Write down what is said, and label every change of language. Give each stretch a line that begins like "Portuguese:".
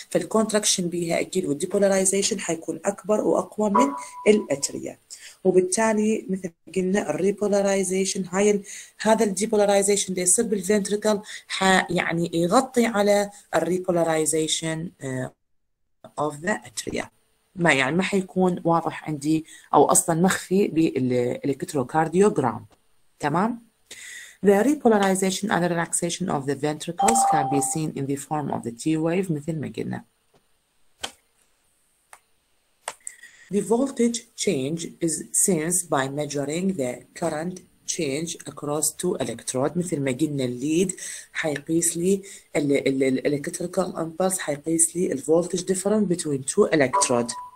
Arabic: فالكونتراكشن بيها اكيد والديبولاريزيشن حيكون اكبر واقوى من الاتريا، وبالتالي مثل ما قلنا الريبولاريزيشن هاي هذا الديبولاريزيشن اللي يصير بالفنتريكل يعني يغطي على الريبولاريزيشن اوف ذا اتريا، ما يعني ما حيكون واضح عندي او اصلا مخفي بالالكتروكارديوغرام. تمام.
English: The repolarization and relaxation of the ventricles can be seen in the form of the T wave,
Arabic: مثل ما قلنا.
English: The voltage change is sensed by measuring the current change across two electrodes,
Arabic: مثل ما قلنا الليد حيقيس لي الالكتريكال امبلس حيقيس لي الفولتج ديفرنت بين تو الكترود.